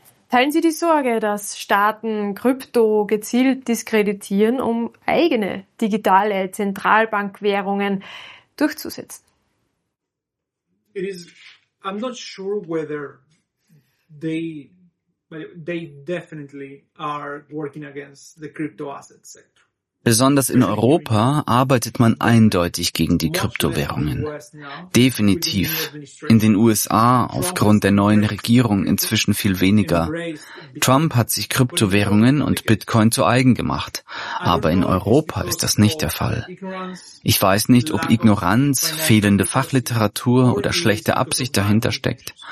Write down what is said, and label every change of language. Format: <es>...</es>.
<de>Teilen Sie die Sorge, dass Staaten Krypto gezielt diskreditieren, um eigene digitale Zentralbankwährungen durchzusetzen?</de> <en>I'm not sure whether they definitely are working against the crypto asset sector.</en> <de>Besonders in Europa arbeitet man eindeutig gegen die Kryptowährungen. Definitiv. In den USA aufgrund der neuen Regierung inzwischen viel weniger. Trump hat sich Kryptowährungen und Bitcoin zu eigen gemacht. Aber in Europa ist das nicht der Fall. Ich weiß nicht, ob Ignoranz, fehlende Fachliteratur oder schlechte Absicht dahinter steckt.</de>